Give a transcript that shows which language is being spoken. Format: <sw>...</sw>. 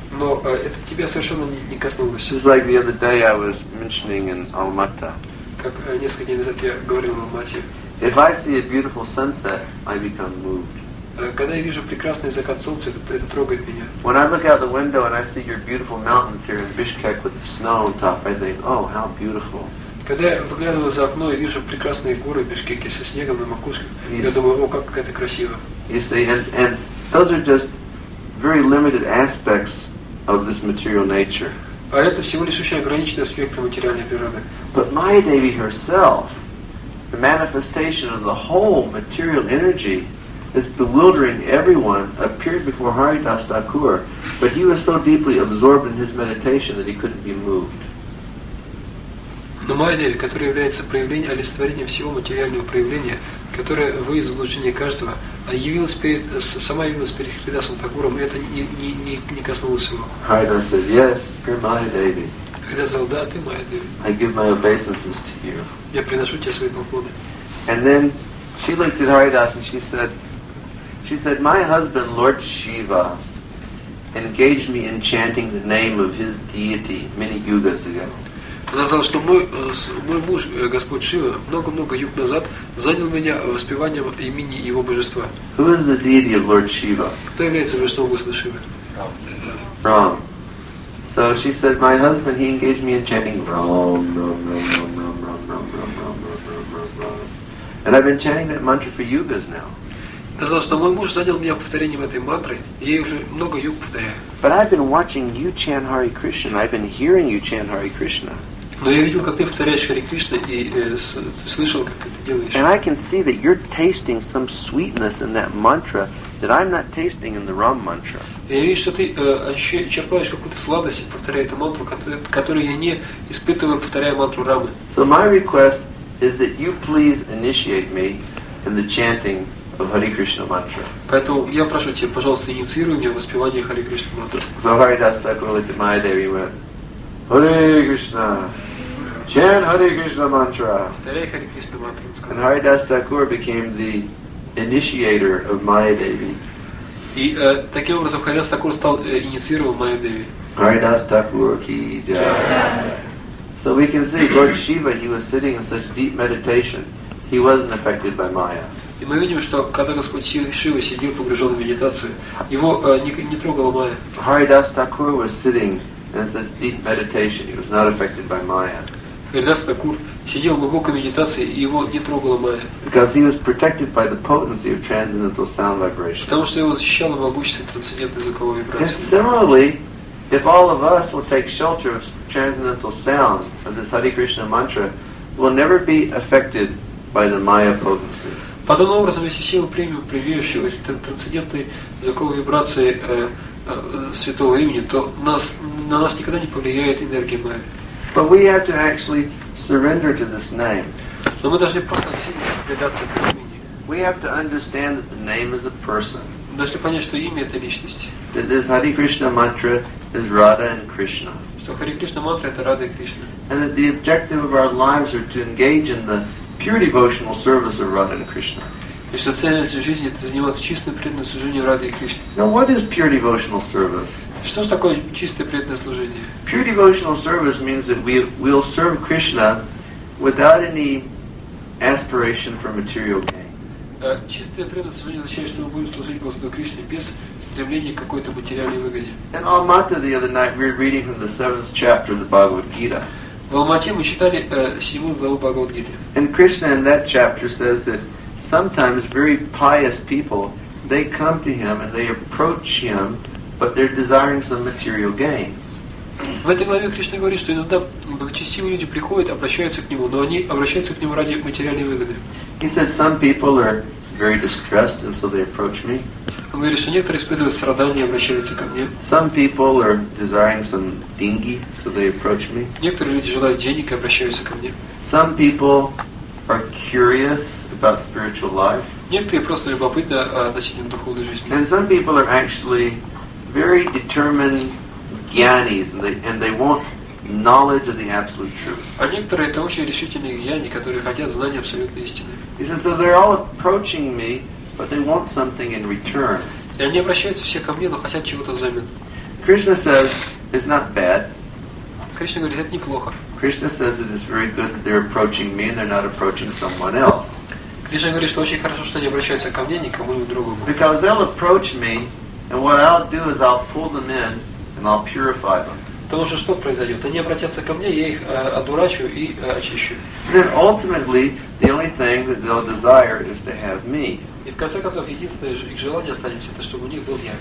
<ru>Но это тебя совершенно не коснулось.</ru> <en>It's like the other day I was mentioning in Almaty.</en> <ru>Как несколько дней назад я говорил в Алмате.</ru> <en>If I see a beautiful sunset, I become moved.</en> <ru>Когда я вижу прекрасный закат солнца, это трогает меня.</ru> <en>When I look out the window and I see your beautiful mountains here in Bishkek with the snow on top, I think, "Oh, how beautiful."</en> <ru>Когда я выглядываю за окно и вижу прекрасные горы Бишкеки со снегом на макушке, я думаю, о, как это красиво.</ru> <en>You see, and those are just very limited aspects of this material nature.</en> <ru>А это всего лишь очень ограниченные аспекты материальной природы.</ru> <en>But Maya Devi herself, the manifestation of the whole material energy, is bewildering everyone, appeared before Haridas Thakur, but he was so deeply absorbed in his meditation that he couldn't be moved.</en> <ru>Но Майя Деви, которая является проявлением, олицетворением всего материального проявления, которое вы из глубины каждого, явилась перед, сама явилась перед Харидасом Тагуром, и это не коснулось его.</ru> <en>Харидас said, yes, you're Майя Деви.</en> <ru>Харидас сказал, да, ты Майя Деви.</ru> <en>I give my obeisances to you.</en> <ru>Я приношу тебе свои поклоны.</ru> <en>And then she looked at Haridas and she said, my husband, Lord Shiva, engaged me in chanting the name of his deity many yugas ago.</en> <ru>Она сказала, что мой муж, Господь Шива, много-много юг назад занял меня воспеванием имени его божества.</ru> <en>Who is the deity of Lord Shiva?</en> <ru>Кто является божеством Господа Шивы?</ru> <en>Ram. So she said, my husband, he engaged me in chanting Ram, Ram, Ram, Ram, Ram, Ram, Ram, Ram, Ram, Ram. And I've been chanting that mantra for yugas now.</en> <ru>Она сказала, что мой муж занял меня повторением этой мантры, и я уже много юг повторяю.</ru> <en>But I've been watching you chant Hare Krishna, I've been hearing you chant Hare Krishna.</en> <ru>Но я видел, как ты повторяешь Хари Кришна, и слышал, как ты это делаешь.</ru> <en>And I can see that you're tasting some sweetness in that mantra that I'm not tasting in the Ram mantra.</en> <ru>Я вижу, что ты черпаешь какую-то сладость, повторяя эту мантру, которую я не испытываю, повторяя мантру Рамы.</ru> <en>So my request is that you please initiate me in the chanting of Hare Krishna mantra.</en> <ru>Поэтому я прошу тебя, пожалуйста, инициируй меня в воспевании Хари Кришна мантры.</ru> <en>So Haridas Thakur looked at Maya Devi went, Hare Krishna, chant Hare Krishna mantra. And Haridas Thakur became the initiator of Maya Devi.</en> <ru>Таким образом Haridas Thakur стал инициировал Maya Devi.</ru> <hi>Haridas Thakur ki jai.</hi> <en>So we can see Lord Shiva, he was sitting in such deep meditation, he wasn't affected by Maya.</en> <ru>И мы видим, что когда Господь Шива сидел погруженный в медитацию, его не трогала Майя.</ru> <en>Haridas Thakur was sitting in such deep meditation, he was not affected by Maya.</en> <ru>Haridas Thakur сидел в глубокой медитации, и его не трогала Майя.</ru> <en>Because he was protected by the potency of transcendental sound vibration.</en> <ru>Потому что его защищало могущество трансцендентной звуковой вибрации.</ru> <en>And similarly, if all of us will take shelter of transcendental sound of this Hare Krishna mantra, we'll never be affected by the Maya potency.</en> <ru>Подобным образом, если все мы примем прививающие эти трансцендентные звуковые вибрации святого имени, то на нас никогда не повлияет энергия Майя.</ru> <en>But we have to actually surrender to this name.</en> <ru>Но мы должны просто всерьез предаться этому имени.</ru> <en>We have to understand that the name is a person.</en> <ru>Мы должны понять, что имя — это личность.</ru> <en>That this Hare Krishna mantra is Radha and Krishna.</en> <ru>Что Hare Krishna mantra — это Радха и Кришна.</ru> <en>And that the objective of our lives are to engage in the pure devotional service of Radha and Krishna.</en> <ru>И что цель этой жизни — это заниматься чистым преданным служением Радхе и Кришне.</ru> <en>Now what is pure devotional service?</en> <ru>Что же такое чистое преданное служение?</ru> <en>Pure devotional service means that we will serve Krishna without any aspiration for material gain.</en> <ru>Чистое преданное служение означает, что мы будем служить Господу Кришне без стремления к какой-то материальной выгоде.</ru> <en>In Almaty the other night we were reading from the 7th chapter of the Bhagavad Gita.</en> <ru>В Алмате мы читали 7 главу Бхагавад Гиты.</ru> <en>And Krishna in that chapter says that sometimes very pious people, they come to him and they approach him, but they're desiring some material gain.</en> <ru>В этой главе Кришна говорит, что иногда благочестивые люди приходят, обращаются к нему, но они обращаются к нему ради материальной выгоды.</ru> <en>He said some people are very distressed and so they approach me.</en> <ru>Он говорит, что некоторые испытывают страдания и обращаются ко мне.</ru> <en>Some people are desiring some dingy, so they approach me.</en> <ru>Некоторые люди желают денег и обращаются ко мне.</ru> <en>Some people are curious about spiritual life.</en> <ru>Некоторые просто любопытны относительно духовной жизни.</ru> <en>And some people are actually very determined gyanis, and they want knowledge of the absolute truth.</en> <ru>А некоторые — это очень решительные гьяни, которые хотят знания абсолютной истины.</ru> <en>He says, so they're all approaching me, but they want something in return.</en> <ru>И они обращаются все ко мне, но хотят чего-то взамен.</ru> <en>Krishna says, it's not bad.</en> <ru>Кришна говорит, это неплохо.</ru> <en>Krishna says it is very good that they're approaching me and they're not approaching someone else.</en> <ru>Кришна говорит, что очень хорошо, что они обращаются ко мне, никому не другому.</ru> <en>Because they'll approach me, and what I'll do is I'll pull them in and I'll purify them.</en> <ru>Потому что что произойдет? Они обратятся ко мне, я их одурачу и очищу.</ru> <en>Then ultimately, the only thing that they'll desire is to have me.</en> <ru>И в конце концов, единственное их желание останется, это чтобы у них был я.</ru>